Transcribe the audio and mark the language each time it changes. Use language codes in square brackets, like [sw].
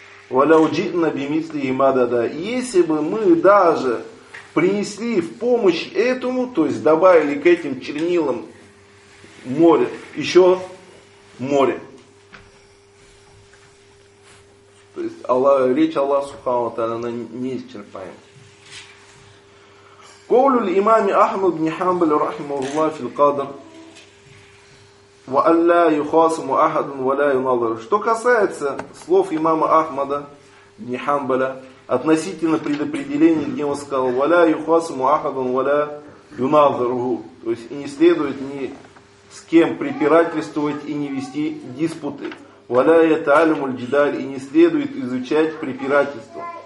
[ar] Валяуджитна бимисли имадада. [ru] Если бы мы даже принесли в помощь этому, то есть добавили к этим чернилам море, еще море. То есть Аллах, речь Аллаха Субхану ва Тааля, она неисчерпаема. [ar] قول الإمام أحمد بن حنبل رحمه الله في القدر وألا يخاصم أحد ولا ينظر. [ru] Что касается слов имама Ахмада бин Хамбаля относительно предопределения, где он сказал [ar] ولا يخاصم أحد ولا ينظر, [ru] то есть и не следует ни с кем препирательствовать и не вести диспуты, [ar] ولا يتعلم الجدال, [ru] и не следует изучать препирательство.